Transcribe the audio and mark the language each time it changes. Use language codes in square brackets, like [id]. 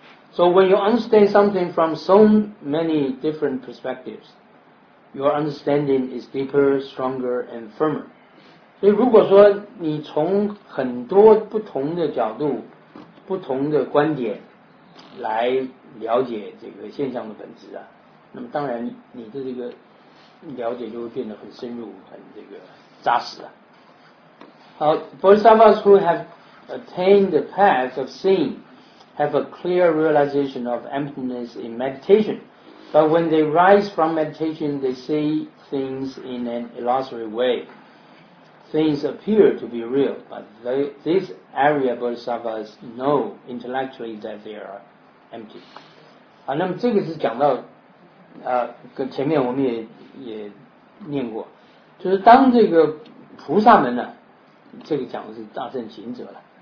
[en] So when you understand something from so many different perspectives, your understanding is deeper, stronger, and firmer. [zh] 所以如果说你从很多不同的角度、不同的观点来了解这个现象的本质啊，那么当然你的这个了解就会变得很深入，很这个扎实啊。 [en] 好 ，Bodhisattvas who have attained the path of seeing have a clear realization of emptiness in meditation, but when they rise from meditation, they see things in an illusory way. Things appear to be real, but this area Bodhisattvas know intellectually that they are empty. [zh] 好，那么这个是讲到跟前面我们也念过，就是当这个菩萨们呢、啊、这个讲的是大圣行者了。